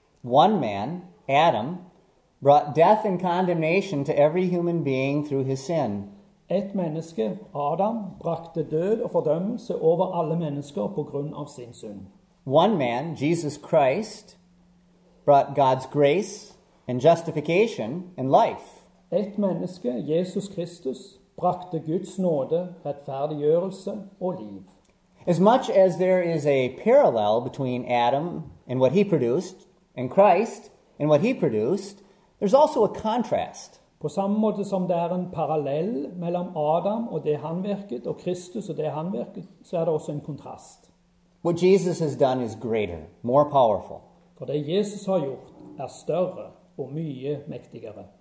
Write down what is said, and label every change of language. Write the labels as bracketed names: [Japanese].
[English] One man, Adam, brought death and condemnation to every human being through his sin. [Norwegian] Et menneske, Adam, brakte død og fordømmelse over alle mennesker på grunn av sin synd. [English] One man, Jesus Christ, brought God's grace and justification and life. [Norwegian] Et menneske, Jesus Kristus, brakte Guds nåde, rettferdiggjørelse og liv. [English] As much as there is a parallel between Adam and what he produced, and Christ and what he produced, there's also a contrast. [Norwegian] På samme måte som det en parallell mellom Adam og det han virket, og Kristus og det han virket, så det også en kontrast. [English] What Jesus has done is greater, more powerful. [Norwegian] For det Jesus har gjort større og mye mektigere.